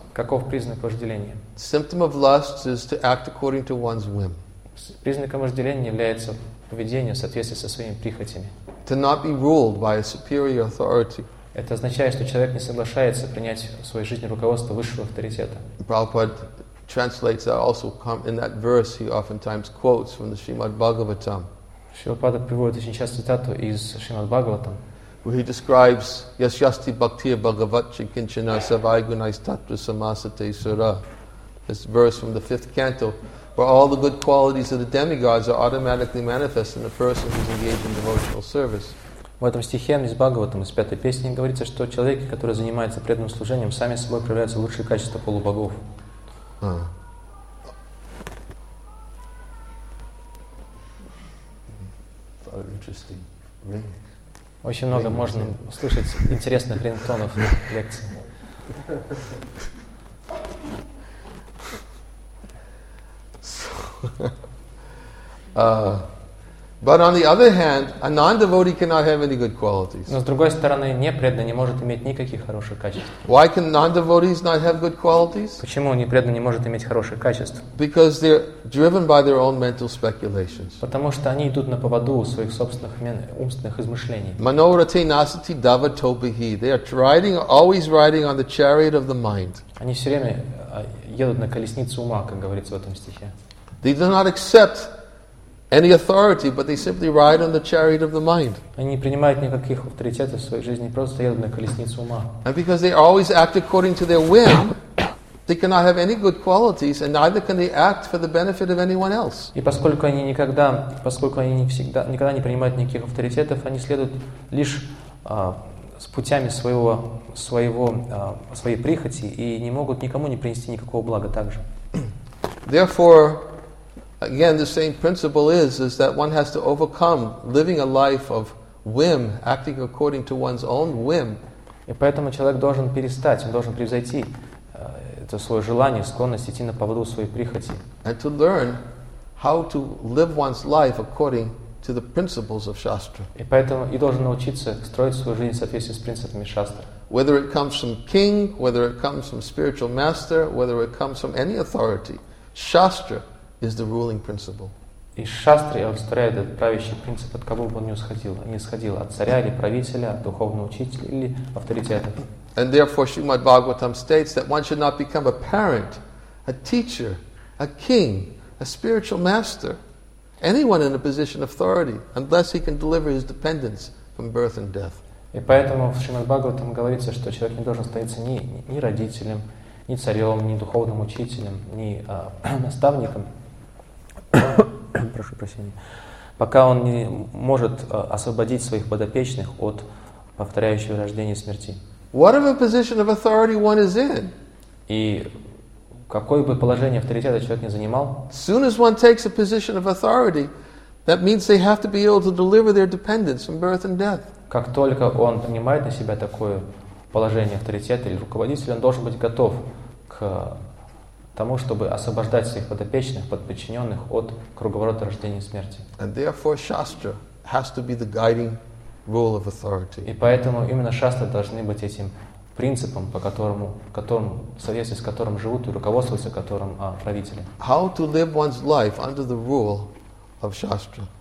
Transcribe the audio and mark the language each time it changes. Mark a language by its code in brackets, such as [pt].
[ru] Каков признак вожделения? [en] Symptom of lust is to act according to one's whim. [ru] Признаком вожделения является поведение в соответствии со своими прихотями. [en] To not be ruled by a superior authority. [ru] Это означает, что человек не соглашается принять в своей жизни руководство высшего авторитета. [en] Prabhupada translates that also come in that verse he oftentimes quotes from the Srimad Bhagavatam. [ru] Шилпада приводит очень часто цитату из Шримад Бхагаватам. [en] Where he describes [sa] Yasyasti Bhaktir Bhagavatchi Kinchana Savai Gunaistatra Samasate Sura. [en] This verse from the fifth canto, where all the good qualities of the demigods are automatically manifest in the person who is engaged in devotional service. [ru] В этом стихе из Бхагаватам, из пятой песни, говорится, что человеки, которые занимаются преданным служением, сами собой проявляются лучшие качества полубогов. [en] Interesting. [ru] Очень много можно услышать интересных рингтонов в лекции. [en] But on the other hand, a non-devotee cannot have any good qualities. [ru] Но с другой стороны, непреданный не может иметь никаких хороших качеств. [en] Why can non-devotees not have good qualities? [ru] Почему непреданный не может иметь хороших качеств? [en] Because they're driven by their own mental speculations. [ru] Потому что они идут на поводу своих собственных умственных измышлений. [sa] Manorati nasati davatobhi. [en] They are riding, always riding on the chariot of the mind. [ru] Они все время едут на колеснице ума, как говорится в этом стихе. [en] They do not accept any authority, but they simply ride on the chariot of the mind. [ru] Они не принимают никаких авторитетов в своей жизни, просто едут на колеснице ума. [en] And because they always act according to their whim, they cannot have any good qualities, and neither can they act for the benefit of anyone else. [ru] И поскольку они не всегда, никогда не принимают никаких авторитетов, они следуют лишь с путями своей прихоти и не могут никому не принести никакого блага также. [en] Therefore, again, the same principle is that one has to overcome living a life of whim, acting according to one's own whim. [ru] И поэтому человек должен перестать, он должен превзойти это свое желание, склонность идти на поводу своей прихоти. [en] And to learn how to live one's life according to the principles of Shastra. [ru] И должен научиться строить свою жизнь в соответствии с принципами Шастры. [en] Whether it comes from king, whether it comes from spiritual master, whether it comes from any authority, Shastra is the ruling principle. [ru] И шастры отстраивают этот правящий принцип, от кого бы он не исходил, от царя или правителя, от духовного учителя или авторитета. [en] And therefore, Srimad Bhagavatam states that one should not become a parent, a teacher, a king, a spiritual master, anyone in a position of authority, unless he can deliver his dependents from birth and death. [ru] И поэтому в Шримад Бхагаватам говорится, что человек не должен становиться ни родителем, ни царем, ни духовным учителем, ни наставником. Прошу прощения. Пока он не может освободить своих подопечных от повторяющего рождения смерти. [en] Whatever position of authority one is in. [ru] И какое бы положение авторитета человек не занимал. [en] Soon as one takes a position of authority, that means they have to be able to deliver their dependents from birth and death. [ru] Как только он принимает на себя такое положение авторитета или руководителя, он должен быть готов к тому, чтобы освобождать своих подопечных, подчиненных от круговорота рождения и смерти. [en] And therefore, Shastra has to be the guiding rule of authority. [ru] И поэтому именно Шастры должны быть этим принципом, по которому, в соответствии с которым живут и руководствуются которым правители. [en] How to live one's life under the rule of Shastra.